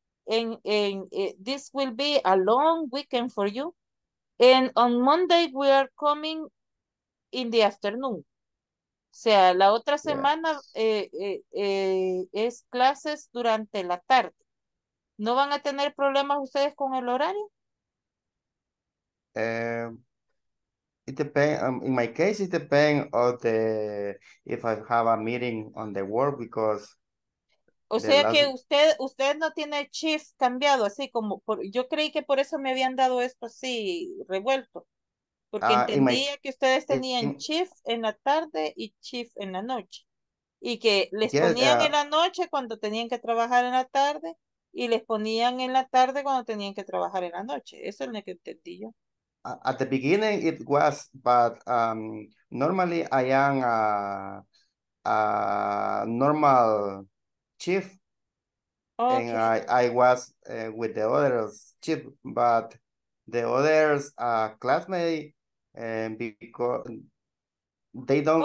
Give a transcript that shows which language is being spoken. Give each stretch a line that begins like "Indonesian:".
English: And this will be a long weekend for you. And on Monday we are coming in the afternoon.
Spanish: O sea, la otra semana es clases durante la tarde. ¿No van a tener problemas ustedes con el horario?
English: It depends. In my case, it depends on the if I have a meeting on the work because.
Spanish: O sea que usted no tiene shift cambiado así como por, yo creí que por eso me habían dado esto así revuelto porque entendía que ustedes tenían shift en la tarde y shift en la noche y que les ponían en la noche cuando tenían que trabajar en la tarde. Y les ponían en la tarde cuando tenían que trabajar en la noche. Eso es lo que entendí yo.
English: At the beginning it was, but normally I am a normal chief. Okay. And I was with the others chief, but the others classmate because they don't